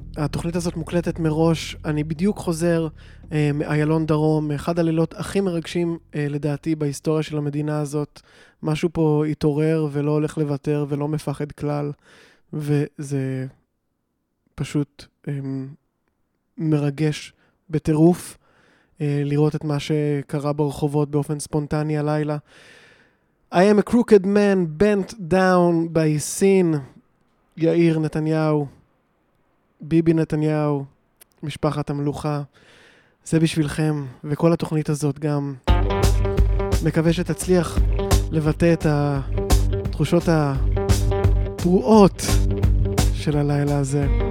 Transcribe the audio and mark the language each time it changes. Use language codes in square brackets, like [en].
[he] התוכנית הזאת מוקלטת מראש, אני בדיוק חוזר מאיילון דרום, אחד הלילות הכי מרגשים לדעתי בהיסטוריה של המדינה הזאת. משהו פה התעורר ולא הולך לוותר ולא מפחד כלל, וזה פשוט מרגש בטירוף לראות את מה שקרה ברחובות באופן ספונטני הלילה. [en] I am a crooked man bent down by sin. [he] יאיר נתניהו, ביבי נתניהו, משפחת המלוכה, זה בשבילכם, וכל התוכנית הזאת גם. מקווה שתצליח לבטא את התחושות הפרועות של הלילה הזה.